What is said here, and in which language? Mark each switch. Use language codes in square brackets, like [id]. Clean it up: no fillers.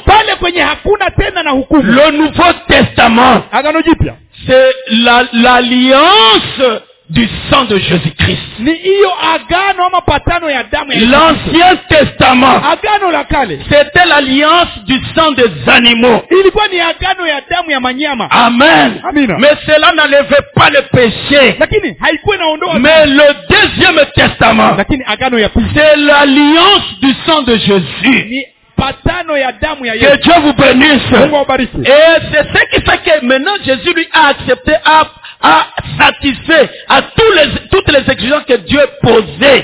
[sw] Pale kwenye hakuna tena na hukumu. [fr] Le Nouveau Testament, [sw] agano jipya, [fr] c'est l'alliance du sang de Jésus-Christ. [sw] Ni iyo agano ama patano ya damu ya [fr] L'Ancien Testament. [sw] Agano la kale. [fr] C'était l'alliance du sang des animaux. Ilikuwa ni agano ya damu ya manyama. Amen. [sw] Amina. [fr] Mais cela n'enlevait pas le péché. [sw] Lakini haikuwa inaondoa. [fr] Mais le Deuxième Testament. [sw] Lakini agano ya pili. [fr] C'est l'alliance du sang de Jésus. [sw] Ni patano ya damu ya [fr] Yesu. Que Dieu vous bénisse. [sw] Mungu awabariki. [fr] Et c'est ce qui fait que maintenant Jésus lui a accepté à satisfait à toutes les exigences que Dieu posait.